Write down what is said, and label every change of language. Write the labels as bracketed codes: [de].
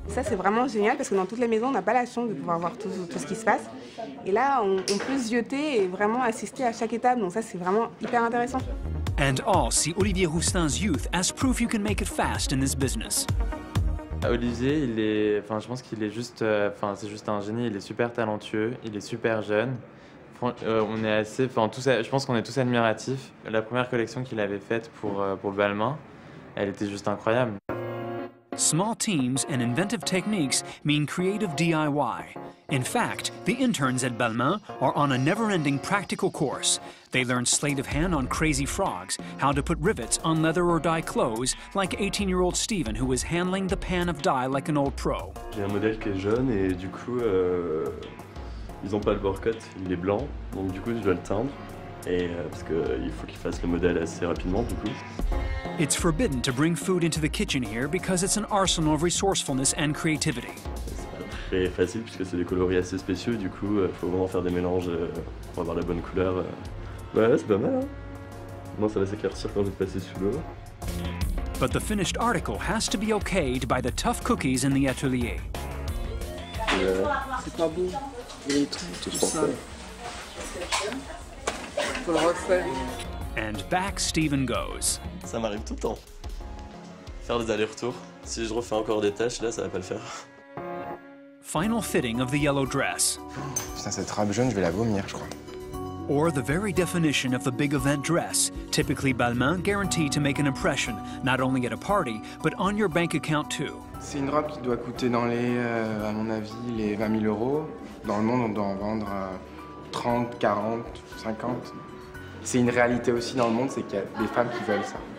[fr] Ça c'est vraiment génial parce que dans toutes les maisons on n'a pas la chance de pouvoir voir tout ce qui se passe. Et là on peut zioter et vraiment assister à chaque étape, donc ça c'est vraiment hyper intéressant. [en] And all see Olivier Roustin's youth as proof you can make it fast in this business. [fr] Olivier, je pense qu'il est juste, c'est juste un génie. Il est super talentueux, il est super jeune. On est assez, je pense qu'on est tous admiratifs. La première collection qu'il avait faite pour Balmain, elle était juste incroyable. [en] Small teams and inventive techniques mean creative DIY. In fact, the interns at Balmain are on a never-ending practical course. They learn sleight of hand on crazy frogs, how to put rivets on leather or dye clothes, like 18-year-old Steven, who is handling the pan of dye like an old pro. [fr] J'ai un modèle qui est jeune et du coup, ils n'ont pas le bord cut, il est blanc, donc du coup, je dois le teindre. Et parce qu'il faut qu'il fasse le modèle assez rapidement, du coup. [en] It's forbidden to bring food into the kitchen here because it's an arsenal of resourcefulness and creativity. [fr] C'est pas très facile puisque c'est des coloris assez spéciaux, du coup, faut vraiment faire des mélanges pour avoir la bonne couleur. Ouais, c'est pas mal, hein. Moi, ça va s'éclaircir quand je vais passer sous l'eau. [en] But the finished article has to be okayed by the tough cookies in the atelier. [fr] C'est pas bon. Il est trop sale. Faut le refaire. [en] And back Steven goes. [fr] Ça m'arrive tout le temps. Faire des allers-retours. Si je refais encore des tâches, là, ça va pas le faire. [en] Final fitting of the yellow dress. [fr] Putain, cette robe jaune, je vais la vomir, je crois. [en] or the very definition of a big event dress, typically Balmain guaranteed to make an impression, not only at a party, but on your bank account too. [fr] C'est une robe qui doit coûter dans les, à mon avis, les 20 000 euros. Dans le monde, on doit en vendre 30, 40, 50. C'est une réalité aussi dans le monde, c'est qu'il y a des femmes qui veulent ça.